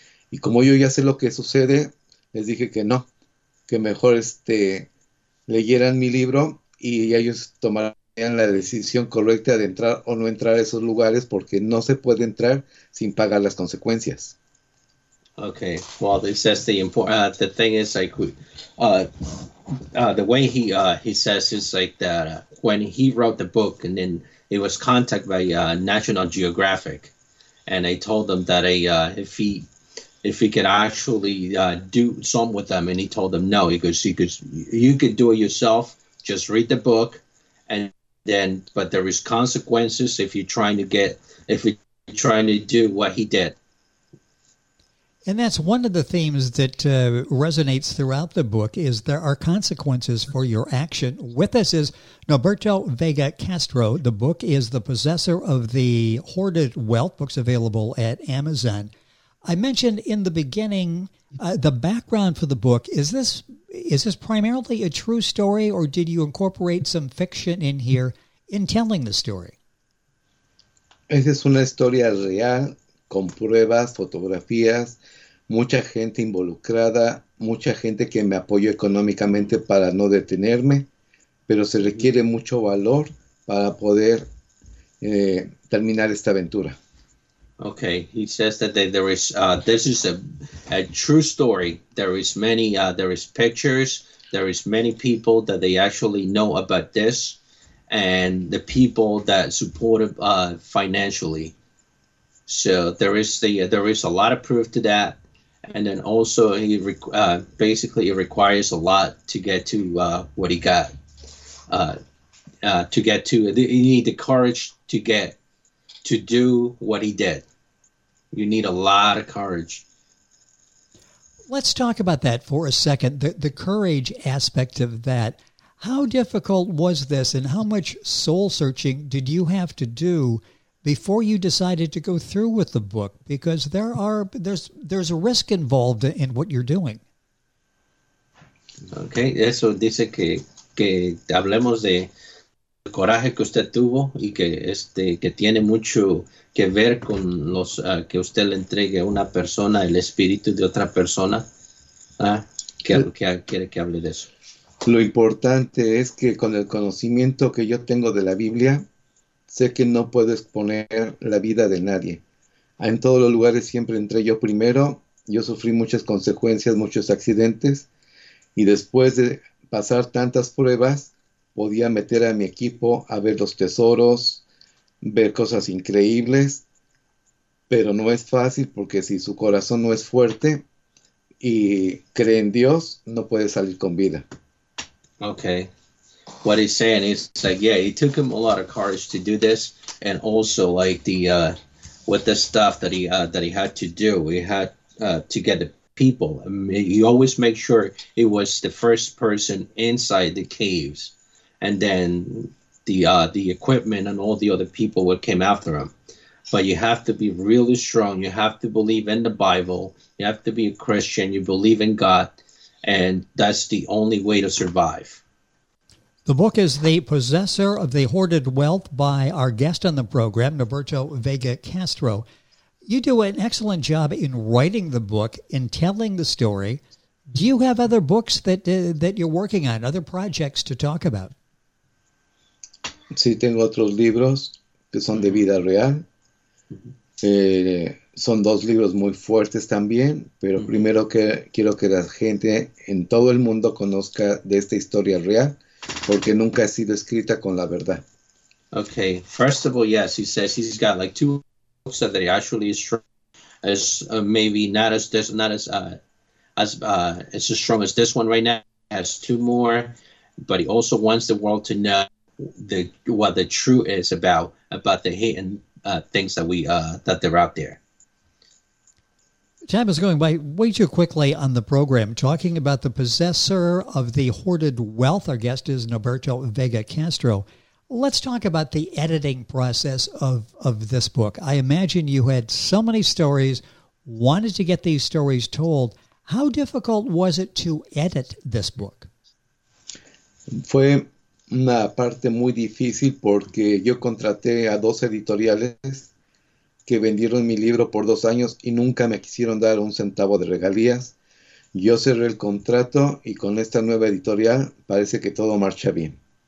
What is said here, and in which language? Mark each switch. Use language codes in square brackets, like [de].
[es] Y como yo ya sé lo que sucede, les dije que no, que mejor leyeran mi libro y ellos tomarían la decisión correcta de entrar o no entrar a esos lugares porque no se puede entrar sin pagar las consecuencias. [en] Okay, well, this is the important the thing is like the way he says is like that when he wrote the book, and then it was contacted by National Geographic, and I told them that if he could actually do some with them, and he told them no, you could do it yourself, just read the book, and then but there is consequences if you're trying to do what he did. And that's one of the themes that resonates throughout the book is there are consequences for your action. With us is Roberto Vega Castro. The book is The Possessor of the Hoarded Wealth. Book's available at Amazon. I mentioned in the beginning, the background for the book, is this Is this primarily a true story, or did you incorporate some fiction in here in telling the story? [es] Esa es una historia real, con pruebas, fotografías, mucha gente involucrada, mucha gente que me apoyó económicamente para no detenerme, pero se requiere mucho valor para poder terminar esta aventura. [en] Okay, he says that there is this is a true story. There is many there is pictures, there is many people that they actually know about this, and the people that supported financially. So there is a lot of proof to that, and then also he basically it requires a lot to get to what he got. To get to, you need the courage to get to do what he did. You need a lot of courage. Let's talk about that for a second, the courage aspect of that. How difficult was this, and how much soul searching did you have to do before you decided to go through with the book? Because there's a risk involved in what you're doing. [es] Okay, eso dice que hablemos de el coraje que usted tuvo y que tiene mucho que ver con los que usted le entregue a una persona el espíritu de otra persona. ¿Qué quiere que hable de eso? Lo importante es que con el conocimiento que yo tengo de la Biblia, sé que no puedo exponer la vida de nadie. En todos los lugares siempre entré yo primero. Yo sufrí muchas consecuencias, muchos accidentes. Y después de pasar tantas pruebas, podía meter a mi equipo a ver los tesoros, ver cosas increíbles. Pero no es fácil porque si su corazón no es fuerte y cree en Dios, no puede salir con vida. [en] Okay, what he's saying is like, yeah, it took him a lot of courage to do this, and also like the with the stuff that he had to do, he had to get the people. I mean, he always make sure it was the first person inside the caves, and then the equipment and all the other people would came after him. But you have to be really strong. You have to believe in the Bible. You have to be a Christian. You believe in God. And that's the only way to survive. The book is The Possessor of the Hoarded Wealth by our guest on the program, Norberto Vega Castro. You do an excellent job in writing the book, in telling the story. Do you have other books that you're working on, other projects to talk about? [es] Sí, tengo otros libros que son de vida real. Son dos libros muy fuertes también, pero primero que quiero que la gente en todo el mundo conozca de esta historia real, porque nunca ha sido escrita con la verdad. [en] Okay, first of all, yes, he says he's got like two books that he actually is strong as maybe not as strong as this one right now. He has two more, but he also wants the world to know what the truth is about the hidden things that that they're out there. Time is going by way too quickly on the program, talking about The Possessor of the Hoarded Wealth. Our guest is Norberto Vega Castro. Let's talk about the editing process of this book. I imagine you had so many stories, wanted to get these stories told. How difficult was it to edit this book? [es] Fue una parte muy difícil porque yo contraté a dos editoriales que vendieron mi libro por 2 años y nunca me quisieron dar un centavo de regalías. Yo cerré el contrato y con esta nueva editorial parece que todo marcha bien.